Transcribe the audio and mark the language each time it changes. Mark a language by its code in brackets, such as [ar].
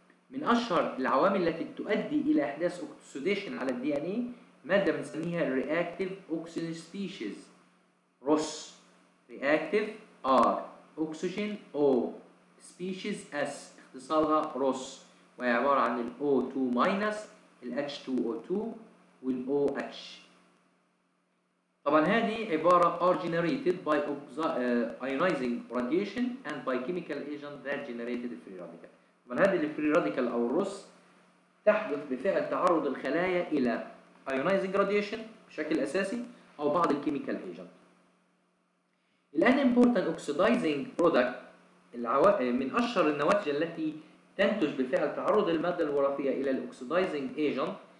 [ar] من اشهر العوامل التي تؤدي الى احداث اوكسديشن على الدي ان اي مادة بنسميها reactive oxygen species ROS، reactive R oxygen O species S اختصارها ROS، وهي عبارة عن ال O2 minus ال H2O2 وال OH. طبعا هذه عبارة [en] are generated by ionizing radiation and by chemical agent that generated free radical. [ar] طبعا هذه ال free radical أو ROS تحدث بفعل تعرض الخلايا إلى ionizing radiation بشكل أساسي أو بعض الكيميكال agent. الآن [en] important oxidizing product [ar] من أشهر النواتج التي تنتج بفعل تعرض المادة الوراثية إلى oxidizing agent